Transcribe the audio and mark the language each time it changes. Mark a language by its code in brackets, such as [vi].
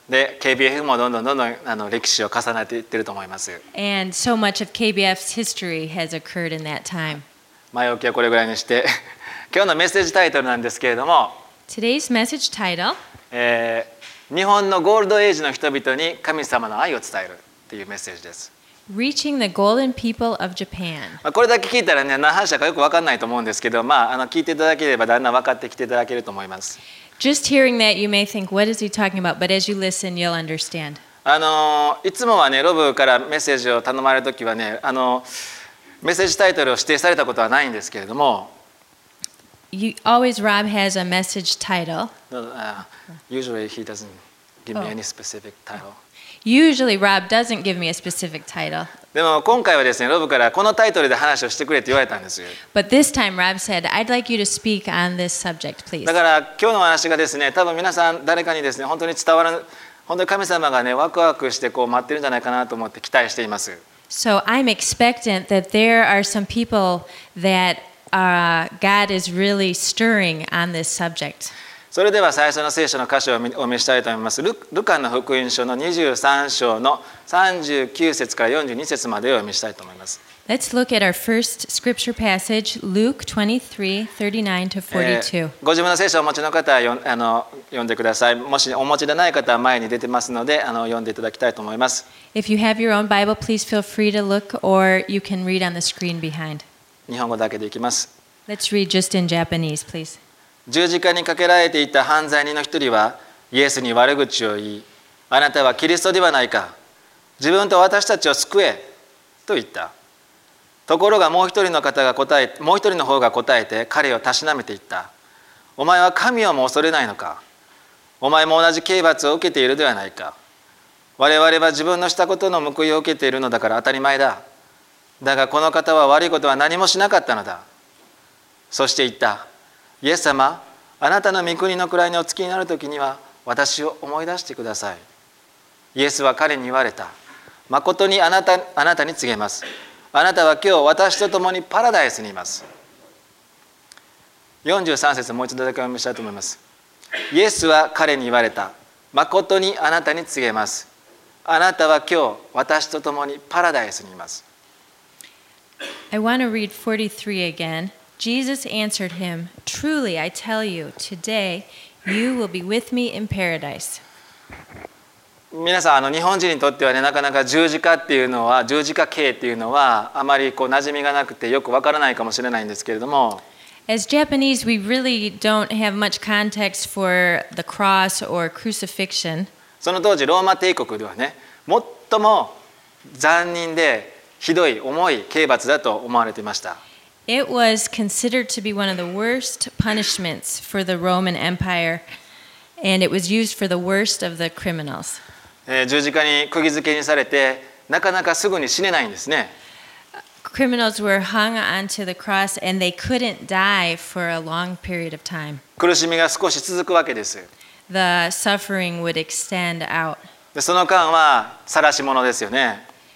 [ja] で、KBF もどんどん歴史を重ねていってると思います。 [en] And so much of KBF's history has occurred in that time. [ja] 前置きはこれぐらいにして、今日のメッセージタイトルなんですけれども、 [en] Today's message title? [ja] 日本のゴールドエイジの人々に神様の愛を伝えるっていうメッセージです。 [en] Reaching the golden people of Japan. [ja] これだけ聞いたらね、何話したかよく分かんないと思うんですけど、まあ聞いていただければだんだん分かってきていただけると思います。 [en] Just hearing that, you may think, "What is he talking about?" But as you listen, you'll understand. [ja] いつもはね、ロブからメッセージを頼まれるときはね、メッセージタイトルを指定されたことはないんですけれども。 [en] Always Rob has a message title. Usually he doesn't give me any specific title. Usually Rob doesn't give me a specific title. [ja] でも今回はですね、ロブからこのタイトルで話をしてくれって言われたんですよ。 [en] But this time Rob said, I'd like you to speak on this subject, please. [ja] だから今日の話がですね、多分皆さん誰かにですね、本当に伝わる、本当に神様がね、ワクワクしてこう待ってるんじゃないかなと思って期待しています。 [en] So I'm expectant that there are some people that God is really stirring on this subject. [ja] それでは最初の聖書の箇所をお見せしたいと思います。ルカの福音書の23章の39節から42節までをお見せしたいと思います。 [en] Let's look at our first scripture passage, Luke 23:39-42. [ja] ご自分の聖書をお持ちの方は読んでください。もしお持ちでない方は前に出てますので、読んでいただきたいと思います。 [en] If you have your own Bible, please feel free to look, or you can read on the screen behind. [ja] 日本語だけでいきます。 [en] Let's read just in Japanese, please. [ja] 十字架にかけられていた犯罪人の一人は、イエスに悪口を言い、あなたはキリストではないか。自分と私たちを救え、と言った。ところがもう一人の方が答えて彼をたしなめていった。お前は神をも恐れないのか。お前も同じ刑罰を受けているではないか。我々は自分のしたことの報いを受けているのだから当たり前だ。だがこの方は悪いことは何もしなかったのだ。そして言った。イエス様、あなたの御国の位にお着きになるときには私を思い出してください。イエスは彼に言われた。まことにあなたに告げます。あなたは今日私と共にパラダイスにいます。43節もう一度だけお見せしたいと思います。イエスは彼に言われた。まことにあなたに告げます。あなたは今日私と共にパラダイスにいます。 [en] I want to read 43 again. Jesus answered him, Truly I tell you, today you will be with me in paradise. [ja] 皆さん日本人にとってはね、なかなか十字架っていうのは、十字架刑っていうのはあまりこう馴染みがなくてよくわからないかもしれないんですけれども、 [en] As Japanese, we really don't have much context for the cross or crucifixion. [ja] その当時ローマ帝国ではね、最も残忍でひどい重い刑罰だと思われていました。 [en] It was considered to be one of the worst punishments for the Roman Empire, and it was used for the worst of the criminals. [ja] 十字架に釘付けにされて、なかなかすぐに死ねないんですね。 [en] Criminals were hung onto the cross and they couldn't die for a long period of time. [ja] 苦しみが少し続くわけです。 [en] The suffering would extend out. [ja] で、その間は晒し者ですよね。